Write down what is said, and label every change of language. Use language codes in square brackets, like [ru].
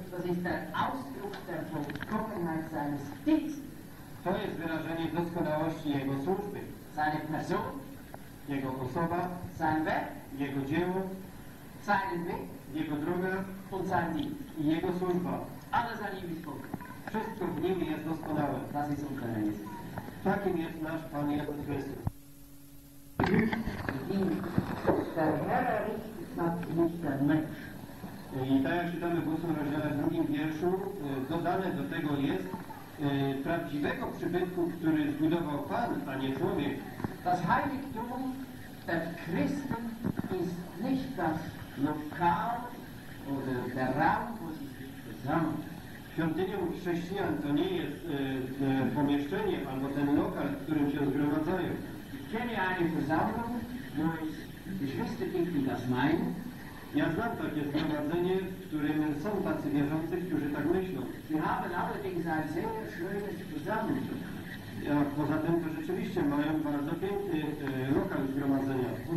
[de] Das ist der Ausdruck der Vollkommenheit seines Dienstes. [pl] To jest wyrażenie doskonałości Jego służby. [de] Seine Person. [pl] Jego osoba. [de] Sein Werk. [pl] Jego dzieło. [de] Seinen Weg. [pl] Jego droga. [de] Und sein Dienst. [pl] I Jego służba. [de] Alles an ihm ist vollkommen. [pl] Wszystko w nim jest doskonałe. [de] Das ist unser Herr. [pl] Takim jest nasz Pan Jezus Chrystus. [de] I der Herr richtet hat nicht der Mensch. [pl] I tak jak czytamy w 8 rozdziale w 2 wierszu, dodane do tego jest prawdziwego przybytku, który zbudował Pan, a nie człowiek. [de] Das Heiligtum der Christen ist nicht das Lokal oder der Raum, wo sie sich versammeln. [pl] Świątynią chrześcijan to nie jest pomieszczenie albo ten lokal, w którym się zgromadzają. [de] Kenne eine Versammlung, wo ich Geschwister bin, die das meinen. [pl] Ja znam takie zgromadzenie, w którym są tacy wierzący, którzy tak myślą. Ja poza tym to rzeczywiście mają bardzo piękny lokal zgromadzenia.